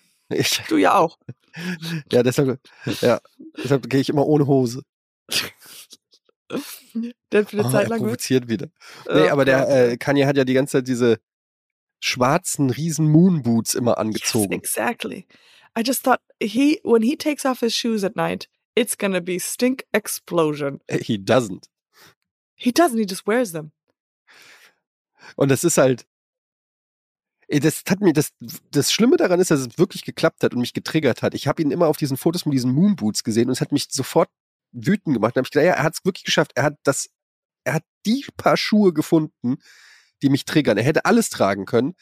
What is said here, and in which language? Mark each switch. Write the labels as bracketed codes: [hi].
[de] Ich, du ja auch. Ja, deshalb, ja, deshalb gehe ich immer ohne Hose. Der für eine Zeit lang. Er provoziert wieder. Nee, aber der Kanye hat ja die ganze Zeit diese schwarzen riesen Moon Boots immer angezogen. [en] Yes, exactly. I just thought he, when he takes off his shoes at night, it's gonna be stink explosion. He doesn't. He doesn't, he just wears them. [de] Und das ist halt. Das hat mir, das Schlimme daran ist, dass es wirklich geklappt hat und mich getriggert hat. Ich habe ihn immer auf diesen Fotos mit diesen Moonboots gesehen und es hat mich sofort wütend gemacht. Da habe ich gedacht, ja, er hat es wirklich geschafft. Er hat die paar Schuhe gefunden, die mich triggern. Er hätte alles tragen können.